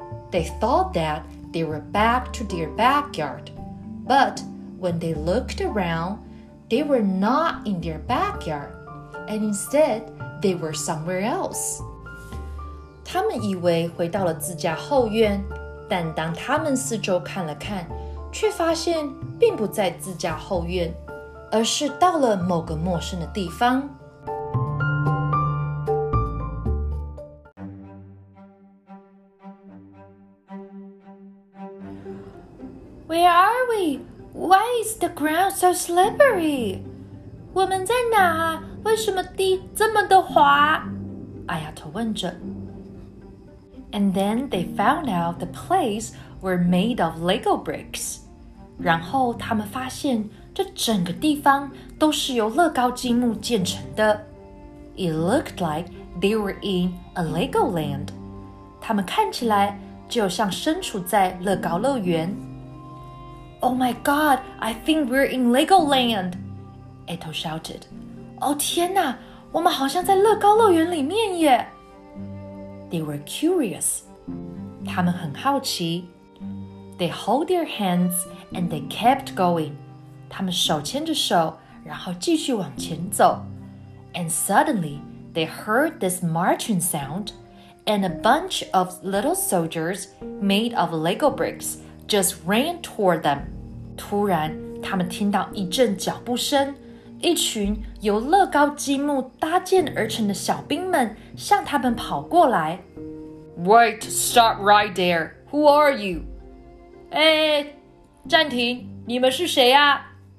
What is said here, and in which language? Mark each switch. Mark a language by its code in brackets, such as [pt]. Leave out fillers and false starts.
[en] They thought that they were back to their backyard. But when they looked around, they were not in their backyard. And instead, they were somewhere else. [zh] 他们以为回到了自家后院，但当他们四周看了看，却发现并不在自家后院。而是到了某个陌生的地方。 [en] Where are we? Why is the ground so slippery? [zh] 我们在哪？为什么地这么的滑？ Ayato 问着。 [en] And then they found out the place were made of Lego bricks. [zh] 然后他们发现这整个地方都是由乐高积木建成的。 [en] It looked like they were in a Lego land. [zh] 他们看起来就像身处在乐高乐园。 [en] Oh my god, I think we're in Lego land! Eto shouted. [zh] 哦天哪，我们好像在乐高乐园里面耶。 [en] They were curious. [zh] 他们很好奇。 [en] They held their hands and they kept going. [zh] 他们手牵着手，然后继续往前走。 [en] And suddenly, they heard this marching sound, and a bunch of little soldiers made of Lego bricks just ran toward them. [zh] 突然，他们听到一阵脚步声，一群由乐高积木搭建而成的小兵们向他们跑过来。 [en] Wait, stop right there. Who are you? [zh] 暂停，你们是谁啊？